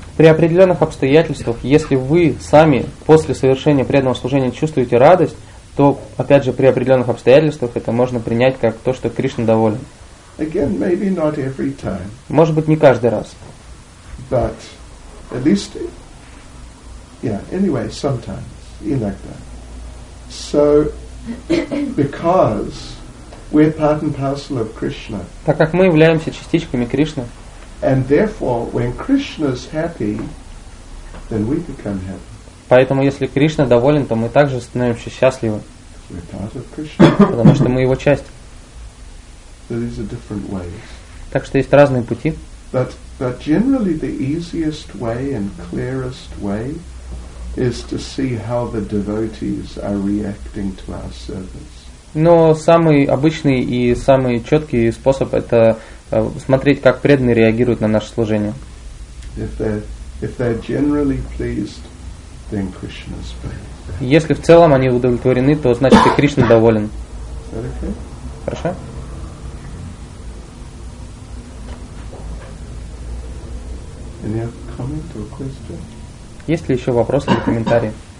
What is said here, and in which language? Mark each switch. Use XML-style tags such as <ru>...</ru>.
<ru>При определенных обстоятельствах, если вы сами после совершения преданного служения чувствуете радость, то, опять же, при определенных обстоятельствах это можно принять как то, что Кришна доволен.</ru> <en>Again, maybe not every time.</en> <ru>Может быть, не каждый раз.</ru> <en>But at least, yeah, anyway, sometimes, inakta. So, because we're part and parcel of Krishna.</en> <ru>Так как мы являемся частичками Кришны.</ru> <en>And therefore, when Krishna's happy, then we become happy.</en> <ru>Поэтому, если Кришна доволен, то мы также становимся счастливы.</ru> <en>We're part of Krishna.</en> <ru>Потому что мы его часть.</ru> <en>So these are different ways.</en> <ru>Так что есть разные пути.</ru> <en>But generally the easiest way and clearest way is to see how the devotees are reacting to our service.</en> <ru>Но самый обычный и самый четкий способ это смотреть, как преданные реагируют на наше служение.</ru> <en>If they're generally pleased, then Krishna's pleased.</en> <ru>Если в целом они удовлетворены, то значит и Кришна доволен.</ru> <en>Is that okay?</en> <ru>Хорошо?</ru> <en>Any other comment or question?</en> <ru>Есть ли еще вопросы или комментарии?</ru>